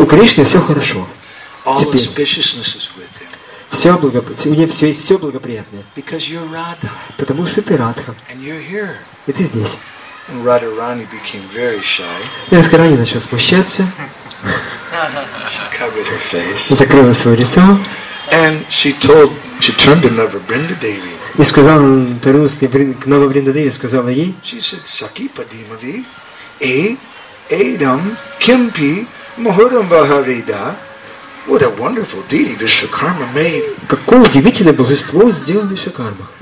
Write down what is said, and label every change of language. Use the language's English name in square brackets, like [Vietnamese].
[Russian] У Кришны все хорошо. [English] All auspiciousness is with him. [Russian] Все благоприятно. У него все есть, все благоприятное. [English] Because you're Radha. [Russian] Потому что ты Радха. [English] And you're here. [Russian] И ты здесь. [English] And Radharani became very shy. [Russian] И Радхарани начал смущаться. [English] She covered her face. [Russian] И закрыла свое лицо. [English] And she told, she turned to Navabrinda Devi. [Russian] И сказала, повернулась к Навабринда Деви, сказала ей. [English] She said, [Sanskrit] Saki Padimavi, Edam Kimpi Mahuram Vaharida. [English] What a wonderful deity Vishwakarma made. [Russian] Какое удивительное божество сделал Вишвакарма.